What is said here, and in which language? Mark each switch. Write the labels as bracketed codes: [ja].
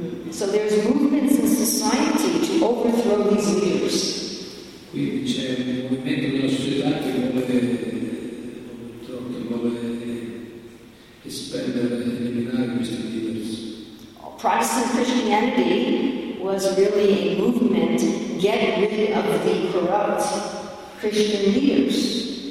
[en] So there's movements in society to overthrow these leaders. [it] Quindi c'è un movimento nella società che vuole espellere, eliminare questi leaders. [en] Protestant Christianity was really a movement get rid of the corrupt Christian leaders.